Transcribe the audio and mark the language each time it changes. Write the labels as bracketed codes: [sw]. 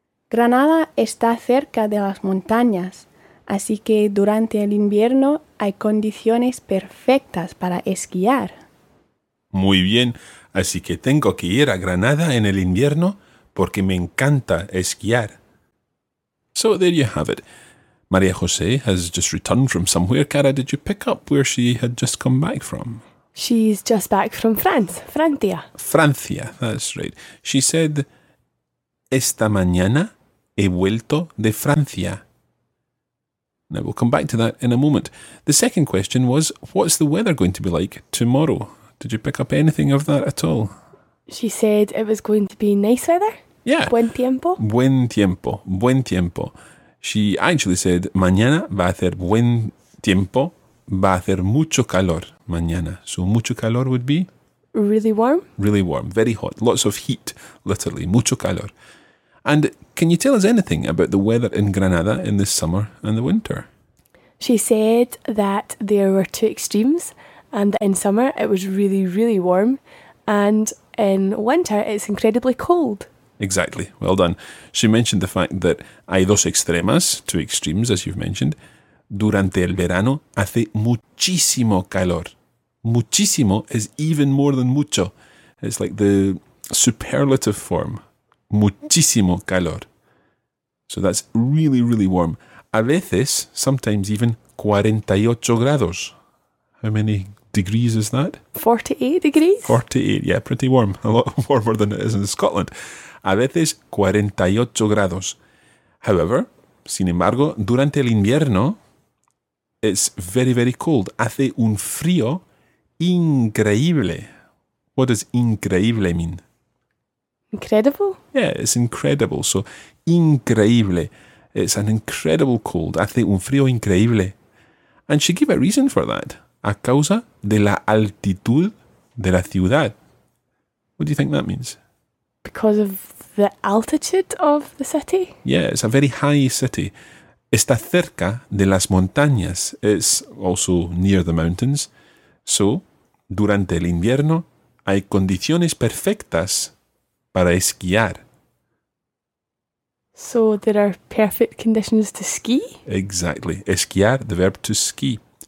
[es] Granada está cerca de las montañas, así que durante el invierno hay condiciones perfectas para esquiar. Muy bien, así que tengo que ir a Granada en el invierno porque me encanta esquiar. [en] So there you have it. Maria Jose has just returned from somewhere. Cara, did you pick up where she had just come back from? She's just back from France, Francia. Francia, that's right. She said, [es] esta mañana he vuelto de Francia. [en] Now, we'll come back to that in a moment. The second question was, what's the weather going to be like tomorrow? Did you pick up anything of that at all? She said it was going to be nice weather. Yeah. [es] Buen tiempo. Buen tiempo. Buen tiempo. [en] She actually said, [es] mañana va a hacer buen tiempo. Va a hacer mucho calor mañana. [en] So [es] mucho calor [en] would be? Really warm. Really warm. Very hot. Lots of heat, literally. [es] Mucho calor. [en] And can you tell us anything about the weather in Granada in the summer and the winter? She said that there were two extremes, and that in summer it was really, really warm, and in winter it's incredibly cold. Exactly. Well done. She mentioned the fact that [es] hay dos extremas, [en] two extremes, as you've mentioned. [es] Durante el verano hace muchísimo calor. [en] Muchísimo is even more than mucho. It's like the superlative form. [es] Muchísimo calor. [en] So that's really, really warm. [es] A veces, [en] sometimes even 48 grados. How many degrees is that? 48 degrees. 48, yeah, pretty warm. A lot warmer than it is in Scotland. [es] A veces 48 grados. [en] However, [es] sin embargo, durante el invierno, [en] it's very, very cold. [es] Hace un frío increíble. [en] What does increíble mean? Incredible? Yeah, it's incredible. So, increíble. It's an incredible cold. [es] Hace un frío increíble. [en] And she gave a reason for that. [es] A causa de la altitud de la ciudad. [en] What do you think that means? Because of the altitude of the city? Yeah, it's a very high city. [es] Está cerca de las montañas. [en] It's also near the mountains. So, [es] durante el invierno, hay condiciones perfectas para esquiar. [en] So there are perfect conditions to ski? Exactly. Esquiar, the verb to ski.